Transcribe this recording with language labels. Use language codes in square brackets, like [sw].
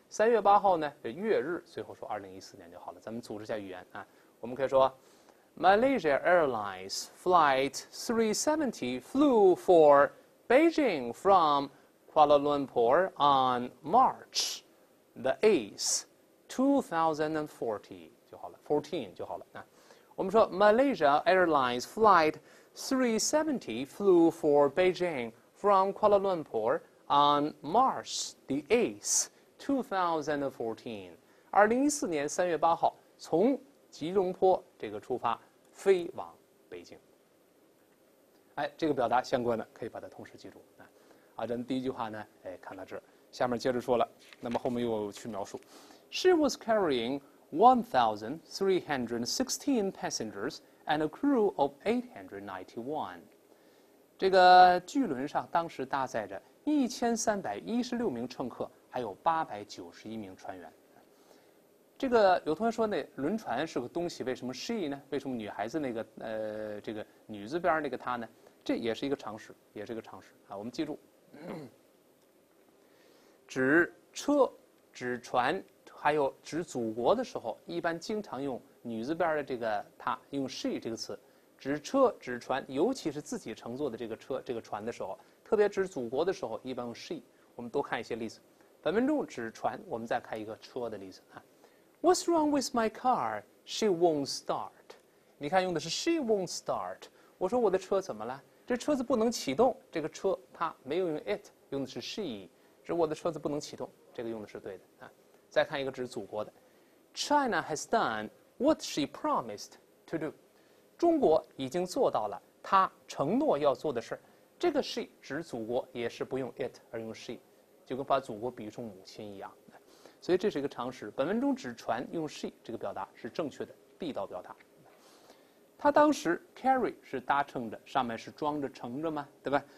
[zh] 3月8号呢，这月日，最后说2014年就好了。咱们组织一下语言啊，我们可以说 ， [en] Malaysia Airlines Flight 370 flew for Beijing from Kuala Lumpur on March 8, 2014 [zh] 就好了 ，14 就好了啊。我们说 [en] Malaysia Airlines Flight 370 flew for Beijing from Kuala Lumpur on March 8, 2014， [zh] 2014年3月8号从吉隆坡这个出发飞往北京。哎，这个表达相关的可以把它同时记住啊。啊，咱第一句话呢，哎，看到这儿，下面接着说了，那么后面又去描述 ， [en] She was carrying 1,316 passengers and a crew of 891。 [zh] 这个巨轮上当时搭载着1316名乘客，还有891名船员。这个有同学说，那轮船是个东西，为什么 she 呢？为什么女孩子那个这个女字边那个她呢？这也是一个常识，也是一个常识啊。我们记住，指车、指船，还有指祖国的时候，一般经常用女字边的这个她，用 she 这个词。指车、指船，尤其是自己乘坐的这个车、这个船的时候，特别指祖国的时候，一般用 she。我们多看一些例子。本文中指船，我们再看一个车的例子啊。 [en] What's wrong with my car? She won't start. [zh] 你看用的是 [en] she won't start. [zh] 我说我的车怎么了？这车子不能启动。这个车它没有用 it， 用的是 she。指我的车子不能启动，这个用的是对的啊。再看一个指祖国的 [en] ，China has done what she promised to do。 [zh] 中国已经做到了她承诺要做的事。这个 she 指祖国，也是不用 it 而用 she。就跟把祖国比喻成母亲一样，所以这是一个常识。本文中指船用 she 这个表达是正确的地道表达。他当时 carry 是搭乘着，上面是装着乘着吗？对吧？